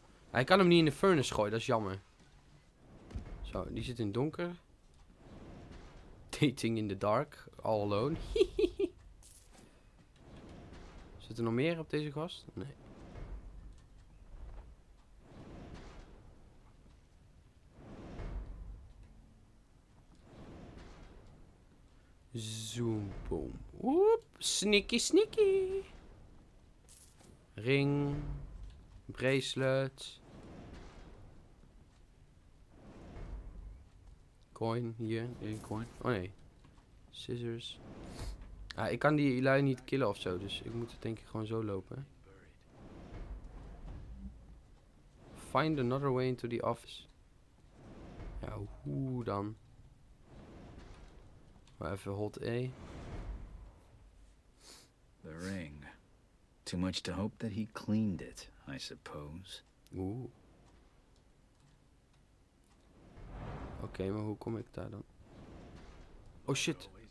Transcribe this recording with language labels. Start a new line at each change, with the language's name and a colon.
Dutch: Hij kan hem niet in de furnace gooien, dat is jammer. Zo, die zit in het donker.
English: Dating in the dark, all alone.
Dutch: Zit er nog meer op deze gast? Nee. Zoom, boom. Woep, sneaky, sneaky. Ring. Bracelet. Coin, hier, coin. Oh nee. Scissors. Ah, ik kan die lui niet killen ofzo, dus ik moet het denk ik gewoon zo lopen.
English: Find another way into the office.
Dutch: Ja, hoe dan? Maar even hold A.
English: The ring. Too much to hope that he cleaned it, I suppose.
Dutch: Oeh. Oké, maar hoe kom ik daar dan? Oh shit.